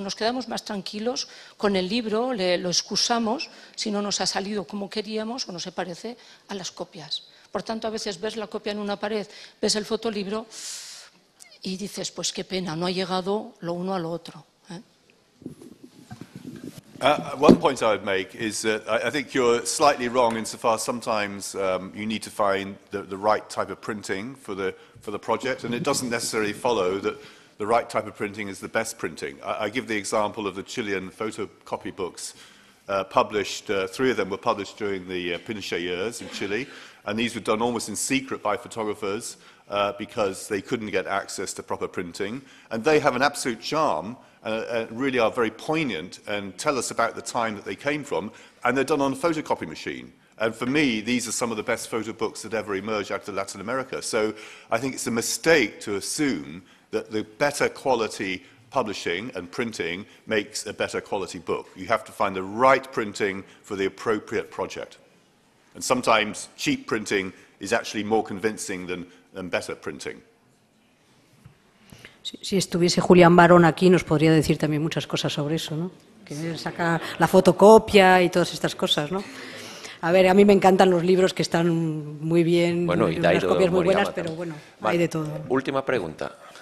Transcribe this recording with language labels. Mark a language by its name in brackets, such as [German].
[Spanish] Nos quedamos más tranquilos con el libro, lo excusamos si no nos ha salido como queríamos o no se parece a las copias. Por tanto, a veces ves la copia en una pared, ves el fotolibro y dices, pues qué pena, no ha llegado lo uno a lo otro. [English] One point I would make is that I think you're slightly wrong insofar as sometimes you need to find the right type of printing for the project, and it doesn't necessarily follow that the right type of printing is the best printing. I give the example of the Chilean photocopy books published, three of them were published during the Pinochet years in Chile, and these were done almost in secret by photographers because they couldn't get access to proper printing, and they have an absolute charm. really are very poignant and tell us about the time that they came from, and they're done on a photocopy machine. And for me, these are some of the best photo books that ever emerged out of Latin America. So I think it's a mistake to assume that the better quality publishing and printing makes a better quality book. You have to find the right printing for the appropriate project. And sometimes cheap printing is actually more convincing than better printing. [Spanish] Si estuviese Julián Barón aquí, nos podría decir también muchas cosas sobre eso, ¿no? Que saca la fotocopia y todas estas cosas, ¿no? A ver, a mí me encantan los libros que están muy bien, bueno, y unas copias muy buenas, pero bueno, vale, hay de todo. Última pregunta.